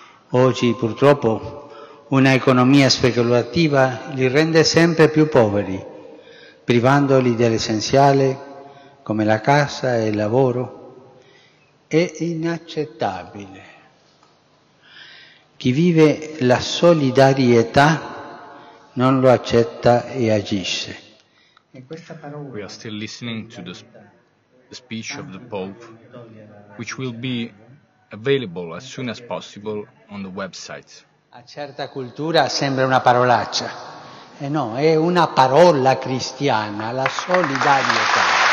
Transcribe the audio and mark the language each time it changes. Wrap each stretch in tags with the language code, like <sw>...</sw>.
<it>Oggi, purtroppo, una economia speculativa li rende sempre più poveri, privandoli dell'essenziale, come la casa e il lavoro. È inaccettabile. Chi vive la solidarietà non lo accetta e agisce.</it> <en>We are still listening to the speech of the Pope, which will be available as soon as possible on the website.</en> <it>A certa cultura sembra una parolaccia. E no, è una parola cristiana, la solidarietà.</it>